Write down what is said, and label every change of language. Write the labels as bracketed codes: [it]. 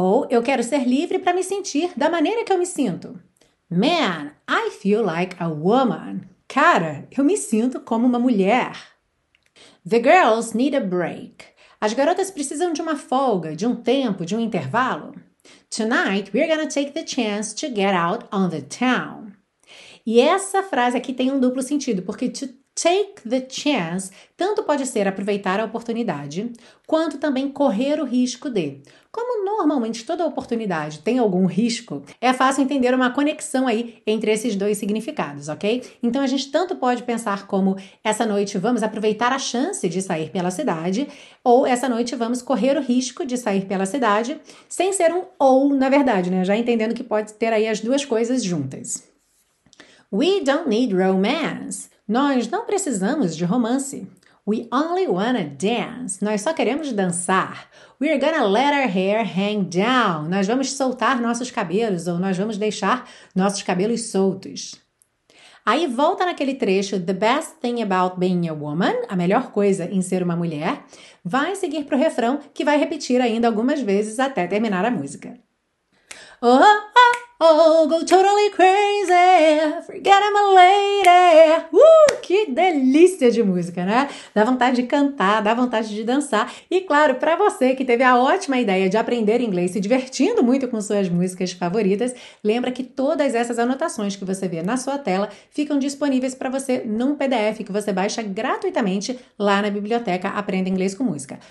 [pt] Eu quero ser livre para me sentir da maneira que eu me sinto. [en] Man, I feel like a woman. [pt] Cara, eu me sinto como uma mulher. [en] The girls need a break. [pt] As garotas precisam de uma folga, de um tempo, de um intervalo. [en] Tonight we're gonna take the chance to get out on the town. [pt] E essa frase aqui tem um duplo sentido, porque [en] to take the chance [pt] tanto pode ser aproveitar a oportunidade, quanto também correr o risco de. Como normalmente toda oportunidade tem algum risco, é fácil entender uma conexão aí entre esses dois significados, ok? Então a gente tanto pode pensar como essa noite vamos aproveitar a chance de sair pela cidade, ou essa noite vamos correr o risco de sair pela cidade, sem ser um ou, na verdade, né? Já entendendo que pode ter aí as duas coisas juntas. [en] We don't need romance. [pt] Nós não precisamos de romance. [en] We only wanna dance. [pt] Nós só queremos dançar. [en] We're gonna let our hair hang down. [pt] Nós vamos soltar nossos cabelos ou nós vamos deixar nossos cabelos soltos. Aí volta naquele trecho: [en] The best thing about being a woman, [pt] a melhor coisa em ser uma mulher, vai seguir para o refrão que vai repetir ainda algumas vezes até terminar a música. [en] Go totally crazy, forget I'm a lady. [pt] Que delícia de música, né? Dá vontade de cantar, dá vontade de dançar. E claro, para você que teve a ótima ideia de aprender inglês se divertindo muito com suas músicas favoritas, lembra que todas essas anotações que você vê na sua tela ficam disponíveis para você num PDF que você baixa gratuitamente lá na biblioteca Aprenda Inglês com Música.